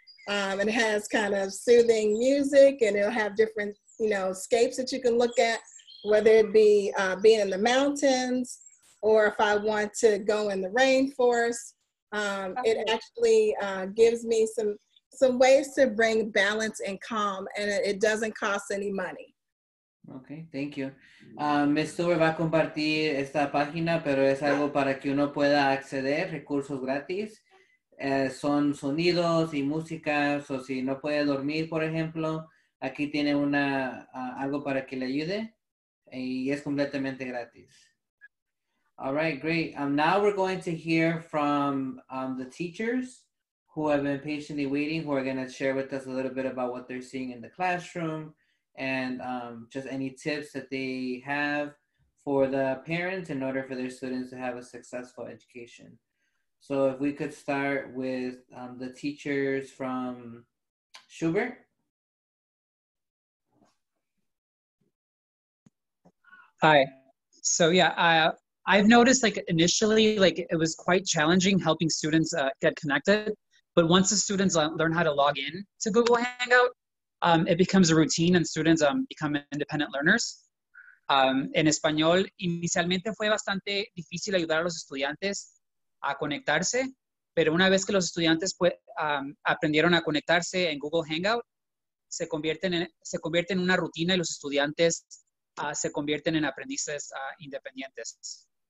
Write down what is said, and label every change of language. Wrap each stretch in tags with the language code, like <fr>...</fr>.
<en>It has kind of soothing music, and it'll have different, you know, scapes that you can look at, whether it be being in the mountains, or if I want to go in the rainforest. It actually gives me some ways to bring balance and calm, and it doesn't cost any money. Okay, thank you. Ms.</en> <es>Stuber va a compartir esta página, pero es algo para que uno pueda acceder, recursos gratis. Son sonidos y música, o si no puede dormir, por ejemplo, aquí tiene una algo para que le ayude, y es completamente gratis.</es> <en>All right, great. Now we're going to hear from the teachers who have been patiently waiting, who are going to share with us a little bit about what they're seeing in the classroom, and just any tips that they have for the parents in order for their students to have a successful education. So if we could start with the teachers from Schubert. Hi. So yeah, I've noticed like initially, like it was quite challenging helping students get connected. But once the students learn how to log in to Google Hangout, it becomes a routine and students become independent learners.</en> <es>En español, inicialmente fue bastante difícil ayudar a los estudiantes a conectarse, pero una vez que los estudiantes aprendieron a conectarse en Google Hangout, se convierte en una rutina y los estudiantes se convierten en aprendices independientes.</es>